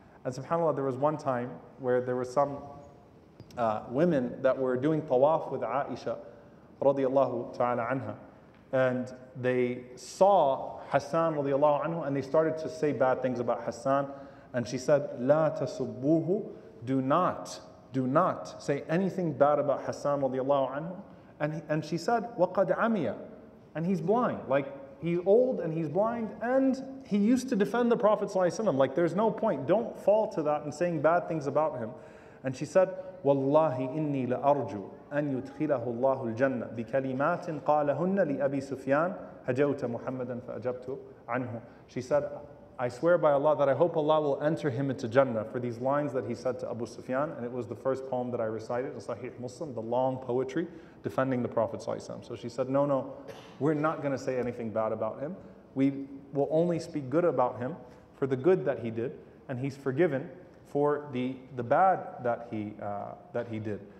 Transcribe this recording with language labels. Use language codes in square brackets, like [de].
[en] And subhanAllah, there was one time where there were some women that were doing tawaf with Aisha radiallahu ta'ala anha, and they saw Hassan radiallahu anhu and they started to say bad things about Hassan, and she said, [ar] لا تسبوه, [en] do not say anything bad about Hassan radiallahu anhu. And she said, [ar] وَقَدْ عَمِيَ, [en] and he's blind, like he's old and he's blind and he used to defend the Prophet sallallahu alaihi wasallam, like there's no point, don't fall to that and saying bad things about him. And she said, [ar] وَاللَّهِ إِنِّي لَأَرْجُو أَنْ يُدْخِلَهُ اللَّهُ الْجَنَّةِ بِكَلِمَاتٍ قَالَهُنَّ لِأَبِي سُفْيَانَ هَجَوْتَ مُحَمَّدًا فَأَجَبْتُ عَنْهُ. [en] She said, I swear by Allah that I hope Allah will enter him into Jannah for these lines that he said to Abu Sufyan. And it was the first poem that I recited in Sahih Muslim, the long poetry defending the Prophet sallallahu alaihi wasallam. So she said, no, we're not going to say anything bad about him. We will only speak good about him for the good that he did, and he's forgiven for the bad that he did.